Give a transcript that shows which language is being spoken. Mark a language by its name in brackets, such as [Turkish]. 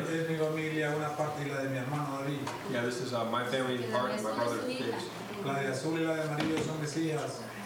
[Spanish] Es mi familia, una parte, y la de mi hermano David. [English] Yeah, this is my family in part, and my brother David. [Spanish] La de azul y la de amarillo son mis hijas.